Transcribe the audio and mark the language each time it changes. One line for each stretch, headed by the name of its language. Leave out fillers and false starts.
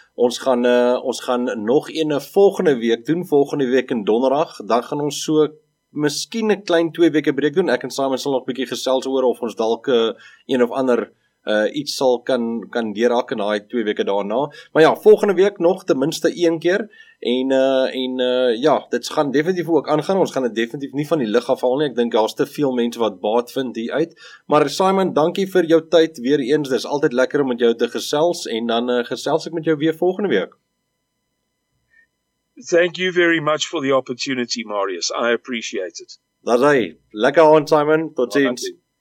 Afrikaans: Ons gaan nog een volgende week doen, volgende week in donderdag. Dan gaan ons so miskien 'n klein 2 weke breek doen. Ek en Simon sal nog 'n bietjie gesels oor of ons dalk een of ander iets sal kan deurhak in daai 2 weke daarna. Maar ja, volgende week nog ten minste 1 keer. En dit gaan definitief ook aangaan. Ons gaan dit definitief nie van die lug af haal nie. Ek dink daar's te veel mense wat baat vind hier uit. Maar Simon, dankie vir jou tyd weer eens. Dis altyd lekker om met jou te gesels en dan gesels ek met jou weer volgende week.
English: Thank you very much for the opportunity, Marius. I appreciate it.
Afrikaans: Daai, lekker aan Simon. Tot ziens.